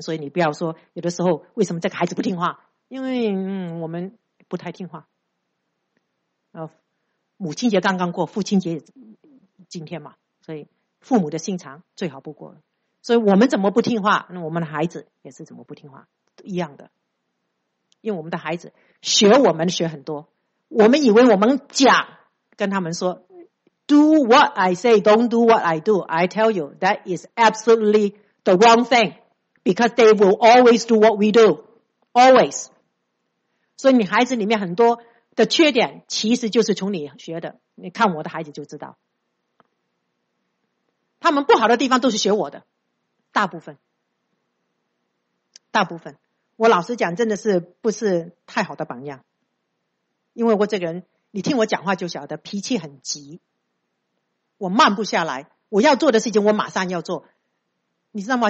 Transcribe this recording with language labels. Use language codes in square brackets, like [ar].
[zh] 所以你不要说有的时候为什么这个孩子不听话，因为我们不太听话。母亲节刚刚过，父亲节今天嘛，所以父母的心肠最好不过了。所以我们怎么不听话，那我们的孩子也是怎么不听话，一样的。因为我们的孩子学我们学很多，我们以为我们讲跟他们说 [en] Do what I say, don't do what I do, I tell you that is absolutely the wrong thing, because they will always do what we do, always。 [zh] 所以你孩子里面很多的缺点其实就是从你学的，你看我的孩子就知道。他们不好的地方都是学我的，大部分，大部分。我老实讲，真的是不是太好的榜样，因为我这个人，你听我讲话就晓得，脾气很急，我慢不下来，我要做的事情我马上要做，你知道吗？